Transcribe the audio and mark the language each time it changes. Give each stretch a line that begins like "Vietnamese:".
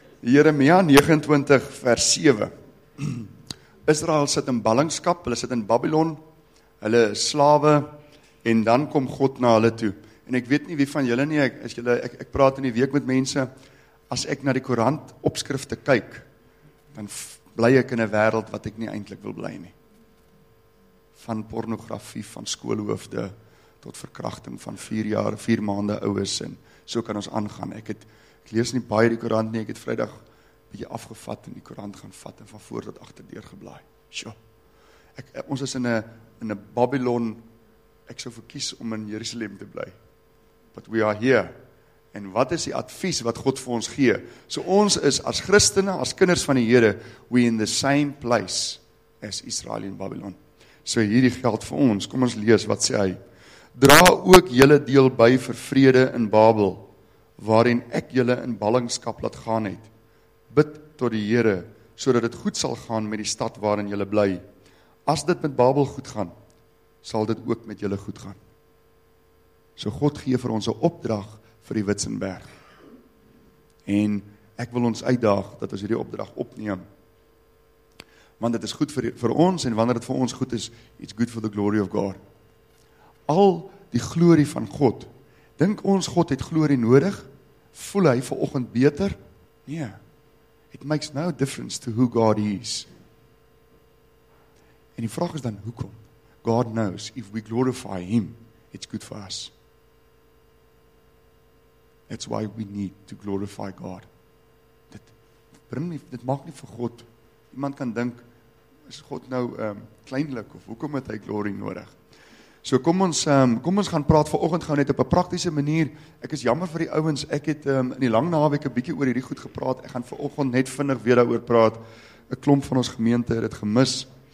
Afrikaans: Jeremia 29 vers 7. Israel sit in ballingskap, hulle sit in Babylon, hulle is slawe, en dan kom God na hulle toe. En ek weet nie wie van julle nie, ek praat in die week met mense, as ek na die koerant opskrifte kyk, dan bly ek in 'n wêreld wat ek nie eintlik wil bly nie. Van pornografie, van skoolhoofde, tot verkrachting van 4 jaar, 4 maande ouers, en so kan ons aangaan. Ek lees nie baie die koerant nie, ek het Vrydag bietjie afgevat en die koerant gaan vat en van voor tot agter deur geblaai. Ons is in 'n Babylon. Ek sou verkies om in Jerusalem te bly.
English: But we are here.
Afrikaans: En wat is die advies wat God vir ons gee? So ons is as Christene, as kinders van die Here,
English: we in the same place as Israel in Babylon.
Afrikaans: So hierdie geld vir ons. Kom ons lees wat sê hy. Dra ook julle deel by vir vrede in Babel, waarin ek julle in ballingskap laat gaan het. Bid tot die Here sodat dit goed sal gaan met die stad waarin julle bly. As dit met Babel goed gaan, sal dit ook met julle goed gaan. So God gee vir ons 'n opdrag vir die Witsenberg. En ek wil ons uitdaag dat ons hierdie opdrag opneem. Want dit is goed vir ons, en wanneer dit vir ons goed is,
English: it's good for the glory of God.
Afrikaans: Al die glorie van God. Dink ons God het glorie nodig? Voel hy vanoggend beter? Nee.
English: It makes no difference to who God is.
Afrikaans: En die vraag is dan, hoekom?
English: God knows, if we glorify Him, it's good for us. That's why we need to glorify God.
Afrikaans: Dit maak nie vir God, iemand kan dink, is God nou kleinlik, of hoekom het hy glorie nodig? So kom ons gaan praat vanoggend gou net op 'n praktiese manier. Ek is jammer vir die ouens, ek het in die lang naweek 'n bietjie oor hierdie goed gepraat, ek gaan vanoggend net vinnig weer daaroor praat. 'N Klomp van ons gemeente het dit gemis.